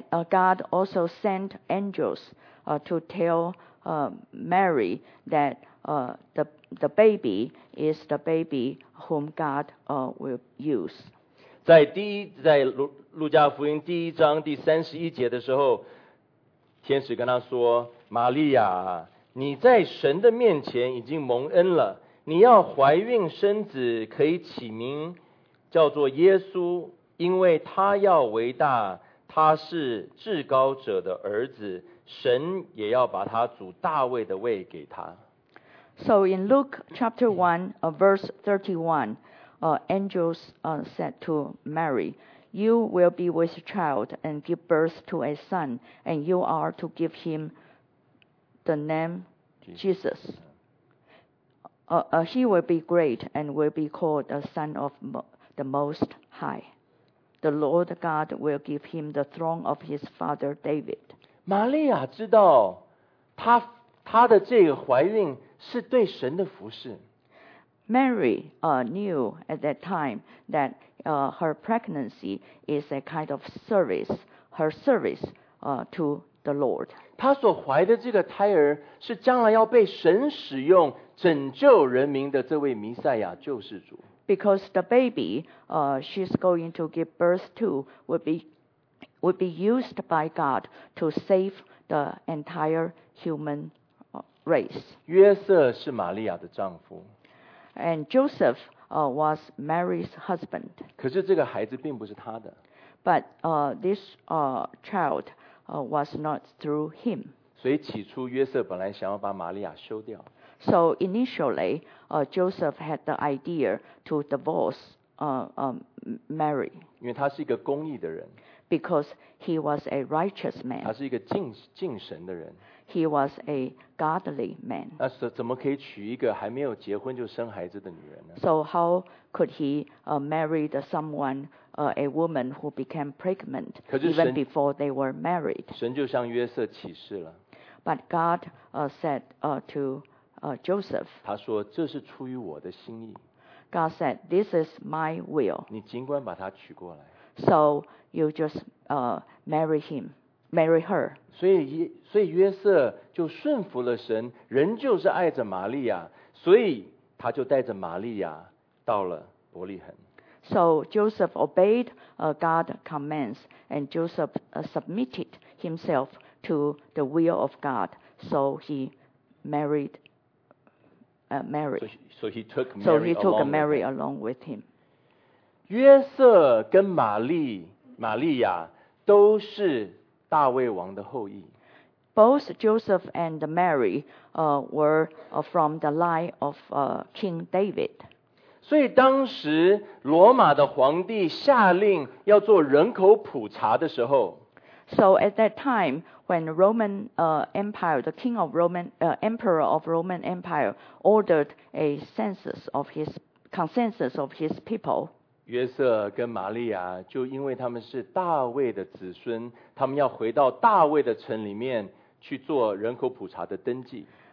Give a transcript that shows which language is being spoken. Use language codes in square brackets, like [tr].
[en] God also sent angels to tell Mary that the baby is the baby whom God will use. [zh] 在路加福音第一章第三十一节的时候，天使跟他说：“玛利亚，你在神的面前已经蒙恩了，你要怀孕生子，可以起名叫做耶稣，因为他要为大，他是至高者的儿子。” 神也要把他祖大卫的位给他。 [en] So in Luke chapter 1, verse 31, angels said to Mary, You will be with child and give birth to a son, and you are to give him the name Jesus. He will be great and will be called the son of the Most High. The Lord God will give him the throne of his father David. [zh] 玛利亚知道 她的这个怀孕是对神的服侍。 [en] Mary knew at that time that her pregnancy is a kind of service, her service to the Lord. [zh] 她所怀的这个胎儿是将来要被神使用拯救人民的这位弥赛亚救世主。 [en] Because the baby she's going to give birth to would be used by God to save the entire human race. [zh] 约瑟是玛利亚的丈夫。 [en] And Joseph was Mary's husband. [zh] 可是这个孩子并不是他的。 [en] But this child was not through him. [zh] 所以起初约瑟本来想要把玛利亚休掉。 [en] So initially, Joseph had the idea to divorce Mary. [zh] 因为他是一个公义的人。 [en] Because he was a righteous man. [zh] 他是一个敬神的人。 [en] He was a godly man. [zh] 那怎么可以娶一个还没有结婚就生孩子的女人呢？ [en] So how could he marry someone, a woman who became pregnant even before they were married? [zh] 神就向约瑟启示了。 [en] But God said to Joseph. [zh] 他说这是出于我的心意。 [en] God said, this is my will. [zh] 你尽管把她娶过来。 [en] So you just marry him, marry her. [zh] 所以约瑟就顺服了神，仍旧是爱着玛利亚，所以他就带着玛利亚到了伯利恒。 [en] So Joseph obeyed God's commands, and Joseph submitted himself to the will of God. So he married Mary. So he took Mary along with him. [zh] 约瑟跟玛利亚都是大卫王的后裔。 [en] Both Joseph and Mary were from the line of King David. [zh] 所以当时罗马的皇帝下令要做人口普查的时候， [en] So at that time, when Roman Empire, the King of Roman Emperor of Roman Empire ordered a census of his consensus of his people. [zh] 约瑟跟玛利亚就因为他们是大卫的子孙，他们要回到大卫的城里面去做人口普查的登记。